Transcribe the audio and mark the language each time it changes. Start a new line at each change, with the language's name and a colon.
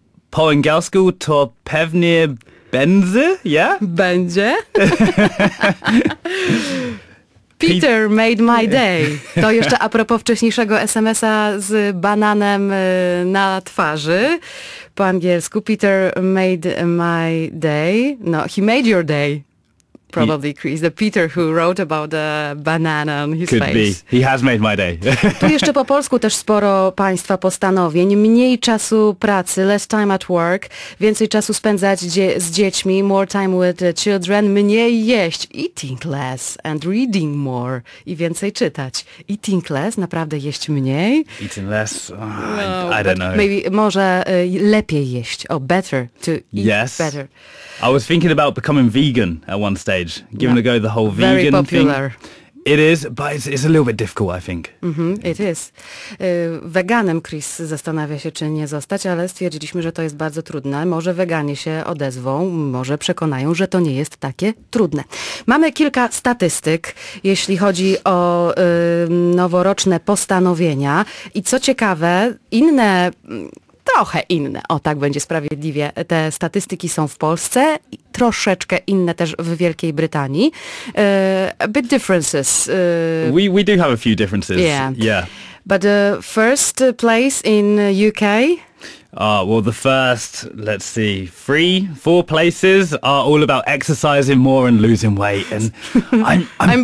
Polish: Po angielsku to pewnie będzie, yeah? Będzie.
English: Peter made my day.
Polish: To jeszcze a propos wcześniejszego SMS-a z bananem na twarzy. Po angielsku,
English: Peter made my day. No, he made your day. Probably Chris, the Peter who wrote about the banana on his Could face. Be. He has made my day.
Polish: Tu jeszcze po polsku też sporo państwa postanowień. Mniej czasu pracy,
English: less time at work,
Polish: więcej czasu spędzać z dziećmi,
English: more time with the children,
Polish: mniej jeść,
English: eating less and reading more
Polish: i więcej czytać.
English: Eating less,
Polish: naprawdę jeść mniej?
English: Eating less, no, I don't know. Maybe,
Polish: może lepiej jeść,
English: or better, to eat yes. better. I was thinking about becoming vegan at one stage, giving a go the whole vegan thing. Very popular. It is, but it's a little bit difficult, I think. Mm-hmm, it is.
Polish: Weganem Chris zastanawia się, czy nie zostać, ale stwierdziliśmy, że to jest bardzo trudne. Może weganie się odezwą, może przekonają, że to nie jest takie trudne. Mamy kilka statystyk, jeśli chodzi o noworoczne postanowienia. I co ciekawe, inne... Trochę inne, o tak będzie sprawiedliwie, te statystyki są w Polsce, troszeczkę inne też w Wielkiej Brytanii.
English: A bit differences. We do have a few differences. Yeah. Yeah. But first place in UK? Well, the first, let's see, four places are all about exercising more and losing weight. And I'm